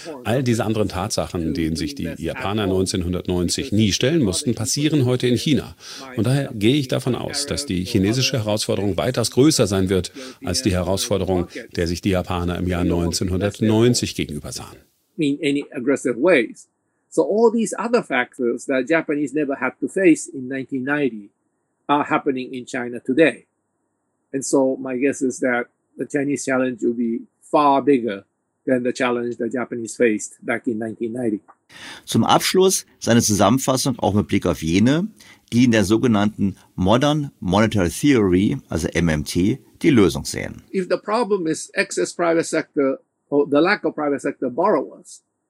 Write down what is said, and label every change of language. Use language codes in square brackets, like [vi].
[de] All diese anderen Tatsachen, denen sich die Japaner 1990 nie stellen mussten, passieren heute in China. Und daher gehe ich davon aus, dass die chinesische Herausforderung weitaus größer sein wird als die Herausforderung, der sich die Japaner im Jahr 1990 gegenüber sahen. [en] In any aggressive ways. So all these other factors that Japanese never had to face in 1990 are happening in China today. And so my guess is that the Chinese challenge will be far bigger than the challenge the Japanese faced back in 1990. [de] Zum Abschluss seine Zusammenfassung auch mit Blick auf jene, die in der sogenannten Modern Monetary Theory, also MMT, die Lösung sehen. [en] If the problem is excess private sector or the lack of private sector borrowers,